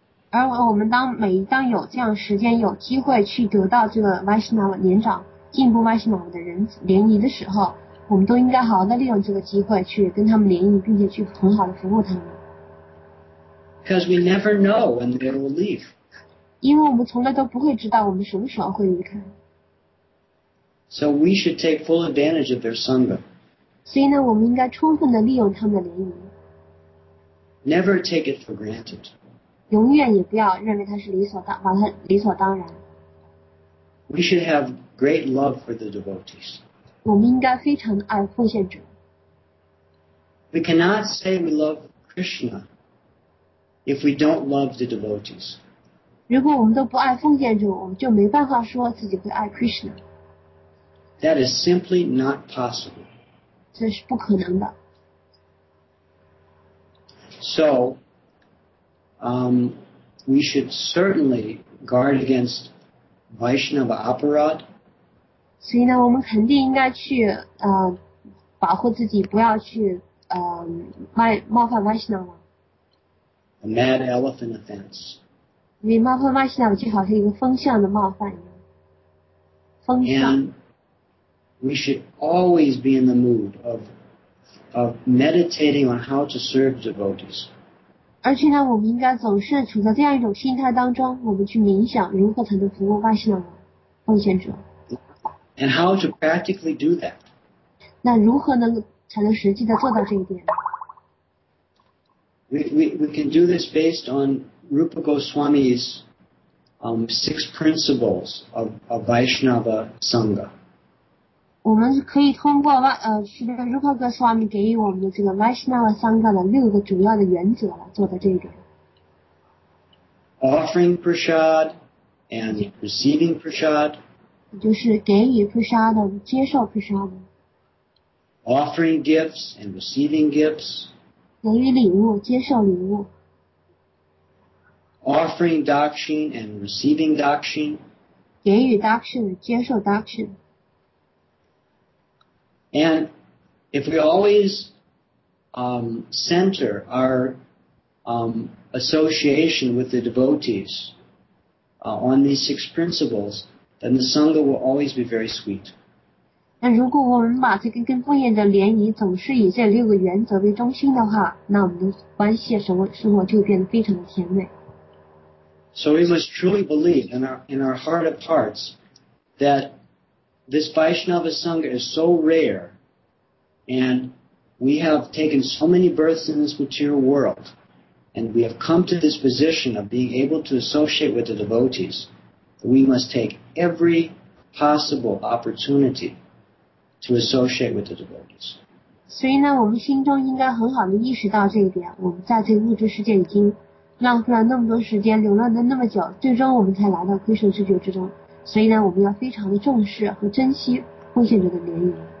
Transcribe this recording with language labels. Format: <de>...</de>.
<zh>而我们当每一当有这样时间有机会去得到这个 Vaishnava 年长进步 Vaishnava 的人联谊的时候，我们都应该好好地利用这个机会去跟他们联谊，并且去很好地服务他们。</zh> <en>Because we never know when they will leave.</en> <zh>因为我们从来都不会知道我们什么时候会离开。</zh> <en>So we should take full advantage of their sangha.</en> <zh>所以呢，我们应该充分地利用他们的联谊。</zh> <en>Never take it for granted.</en> <zh>永远也不要认为它是理所当，把它理所当然。</zh> <en>We should have great love for the devotees.</en> <zh>我们应该非常的爱奉献者。</zh> <en>We cannot say we love Krishna if we don't love the devotees.</en> <zh>如果我们都不爱奉献者，我们就没办法说自己会爱 Krishna.</zh> <en>That is simply not possible.</en> <zh>这是不可能的。</zh> <en>So, we should certainly guard against Vaishnava aparad.</en> <zh>所以呢，我们肯定应该去保护自己，不要去冒犯 Vaishnava.</zh> <en>A mad elephant offense.</en> <zh>因为冒犯 Vaishnava 就好像一个风向的冒犯一样，风向。</zh> <en>And we should always be in the mood of meditating on how to serve devotees.</en> <zh>而且呢，我们应该总是处在这样一种心态当中，我们去冥想如何才能服务Vaishnava奉献者。</zh> <en>And how to practically do that?</en> <zh>那如何能才能实际的做到这一点？</zh> <en>We can do this based on Rupa Goswami's six principles of Vaishnava Sangha.</en> <zh>我们可以通过是的 Rupa Goswami 给予我们的这个 Vaishnava Sangha 的六个主要的原则来做的这一点。</zh> <en>Offering prasad and receiving prasad.</en> <zh>就是给予 prasad, 接受 prasad.</zh> <en>Offering gifts and receiving gifts.</en> <zh>给予礼物，接受礼物。</zh> <en>Offering dakshin and receiving dakshin.</en> <zh>给予 dakshin, 接受 dakshin.</zh> <en>And if we always center our association with the devotees on these six principles, then the sangha will always be very sweet.</en> <zh>那如果我们把这个跟奉献者联谊总是以这六个原则为中心的话，那我们的关系什么生活就变得非常的甜美。</zh> <en>So we must truly believe in our heart of hearts that this Vaishnava sangha is so rare. And we have taken so many births in this material world, and we have come to this position of being able to associate with the devotees. We must take every possible opportunity to associate with the devotees.</en> <zh>所以呢，我们心中应该很好地意识到这一点。我们在这个物质世界已经浪费了那么多时间，流浪了那么久，最终我们才来到归生之觉之中。所以呢，我们要非常的重视和珍惜奉献者的联谊。</zh>